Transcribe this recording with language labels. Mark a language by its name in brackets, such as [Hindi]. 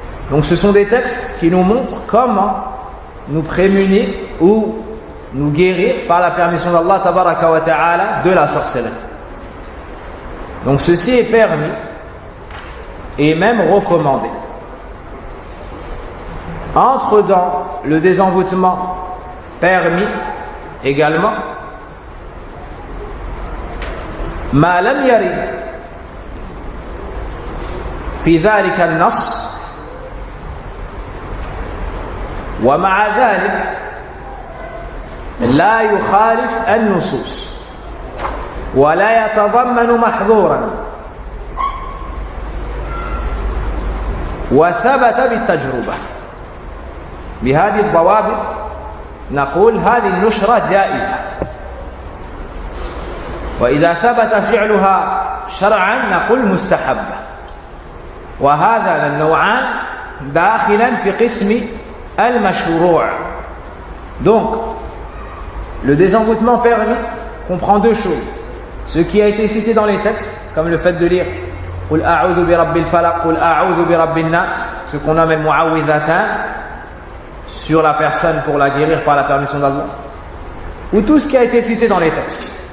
[French] Donc ce sont des textes qui nous montrent comment nous prémunir ou nous guérir par la permission d'Allah tabaraka wa ta'ala de la sorcellerie. Donc ceci est permis et même recommandé. Entre dans le désengoutement permis également [Arabic] ma lam yarid fi dhalika an-nass wa ma'a dhalik la yukhalif an-nusus ولا يتضمن محظورا وثبت بالتجربة بهذه الضوابط نقول هذه النشرة جائزة وإذا ثبت فعلها شرعا نقول مستحبة وهذا النوعان داخلا في قسم المشروع. [French] Donc le désengoutement permis comprend deux choses. Ce qui a été cité dans les textes, comme le fait de lire [Arabic] Qul a'udhu bi rabbil falaq, Qul a'udhu bi rabbin nas, [French] ce qu'on nomme mu'awidhatan sur la personne pour la guérir par la permission d'Allah, ou tout ce qui a été cité dans les textes.